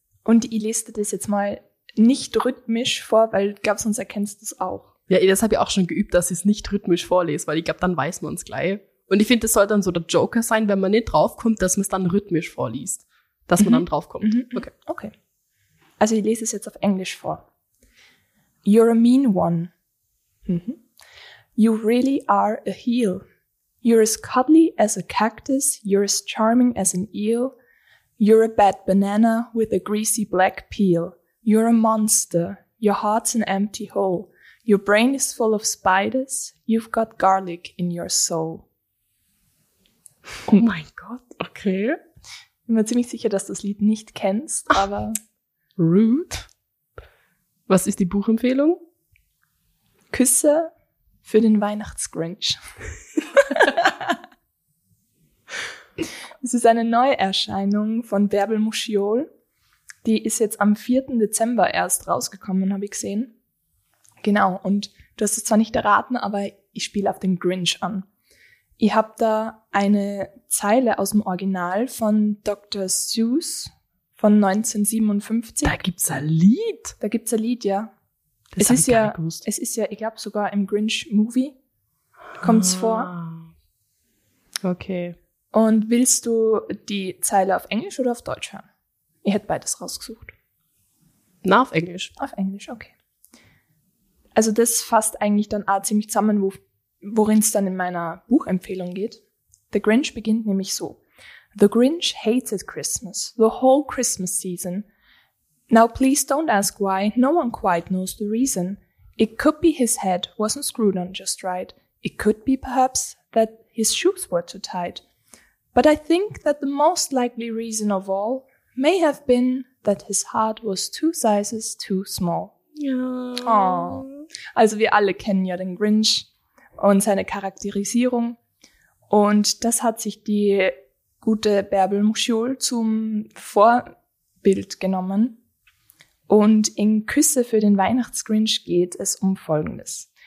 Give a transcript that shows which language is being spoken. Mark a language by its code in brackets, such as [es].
[de] Und ich lese das jetzt mal nicht rhythmisch vor, weil ich glaube, sonst erkennst du es auch. Ja, das habe ich auch schon geübt, dass ich es nicht rhythmisch vorlese, weil ich glaube, dann weiß man es gleich. Und ich finde, das soll dann so der Joker sein, wenn man nicht draufkommt, dass man es dann rhythmisch vorliest. Dass man dann draufkommt. Okay. Also ich lese es jetzt auf Englisch vor. [en] You're a mean one. You really are a heel. You're as cuddly as a cactus, you're as charming as an eel. You're a bad banana with a greasy black peel. You're a monster, your heart's an empty hole. Your brain is full of spiders, you've got garlic in your soul. [de] Oh mein Gott, okay. Ich bin mir ziemlich sicher, dass du das Lied nicht kennst, aber... [en] Rude. [de] Was ist die Buchempfehlung? Küsse für den Weihnachtsgrinch. Es ist eine Neuerscheinung von Bärbel Muschiol. Die ist jetzt am 4. Dezember erst rausgekommen, habe ich gesehen. Genau, und du hast es zwar nicht erraten, aber ich spiele auf den Grinch an. Ich habe da eine Zeile aus dem Original von Dr. Seuss von 1957. Da gibt's ein Lied. Da gibt's ein Lied, ja. Das es ist ich ja, gar nicht gewusst. Es ist ja, ich glaube, sogar im Grinch-Movie kommt's vor. Okay. Und willst du die Zeile auf Englisch oder auf Deutsch hören? Ich hätte beides rausgesucht. Na, auf Englisch. Auf Englisch, okay. Also das fasst eigentlich dann auch ziemlich zusammen, worin es dann in meiner Buchempfehlung geht. The Grinch beginnt nämlich so. [en] The Grinch hated Christmas, the whole Christmas season. Now please don't ask why, no one quite knows the reason. It could be his head wasn't screwed on just right. It could be perhaps that his shoes were too tight. But I think that the most likely reason of all may have been that his heart was two sizes too small. [de] Ja. Oh. Also wir alle kennen ja den Grinch und seine Charakterisierung. Und das hat sich die gute Bärbel Muschiol zum Vorbild genommen. Und in Küsse für den Weihnachtsgrinch geht es um Folgendes.